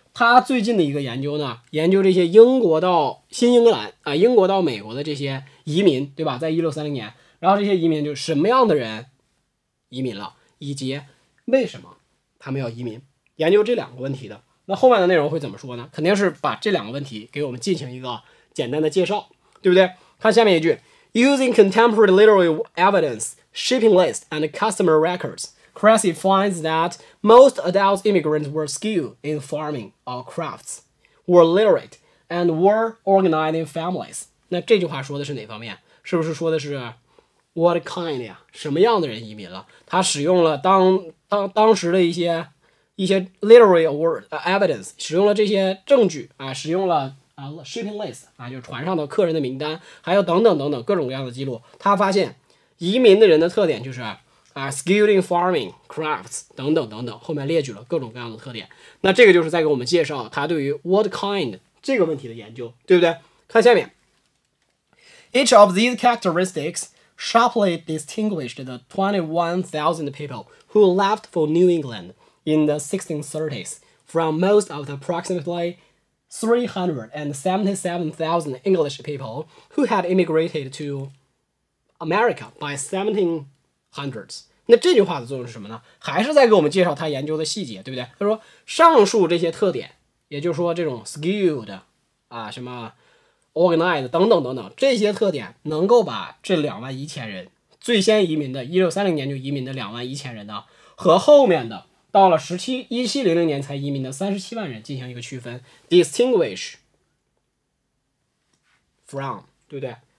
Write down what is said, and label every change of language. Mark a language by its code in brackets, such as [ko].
[zh] 他最近的一个研究呢，研究这些英国到新英格兰啊，英国到美国的这些移民，对吧？在1630年，然后这些移民就什么样的人移民了，以及为什么他们要移民，研究这两个问题的。那后面的内容会怎么说呢？肯定是把这两个问题给我们进行一个简单的介绍，对不对？看下面一句 [en] ，Using contemporary literary evidence, shipping lists, and customer records. Cressy finds that most adult immigrants were skilled in farming or crafts, were literate, and were organized in families. [zh] 那这句话说的是哪方面？是不是说的是 [en] what kind [zh] 呀？什么样的人移民了？他使用了当时的一些 [en] literary word, evidence, [zh] 使用了这些证据啊，使用了 [en] shipping list [zh] 啊，就是船上的客人的名单，还有等等等等各种各样的记录。他发现移民的人的特点就是。 [en] Skilled in farming, crafts, [zh] 等等等等，后面列举了各种各样的特点。那这个就是在给我们介绍他对于 [en] what kind [zh] 这个问题的研究，对不对？看下面 [en] ，Each of these characteristics sharply distinguished the 21,000 people who left for New England in the 1630s from most of the approximately 377,000 English people who had immigrated to America by 1700s. [zh] 那这句话的作用是什么呢？还是在给我们介绍他研究的细节，对不对？他说上述这些特点，也就是说这种 skilled 啊，什么 organized 等等等等，这些特点能够把这两万一千人最先移民的1630年就移民的两万一千人呢，和后面的到了1700年才移民的370,000人进行一个区分 [en] distinguish from， [zh] 对不对？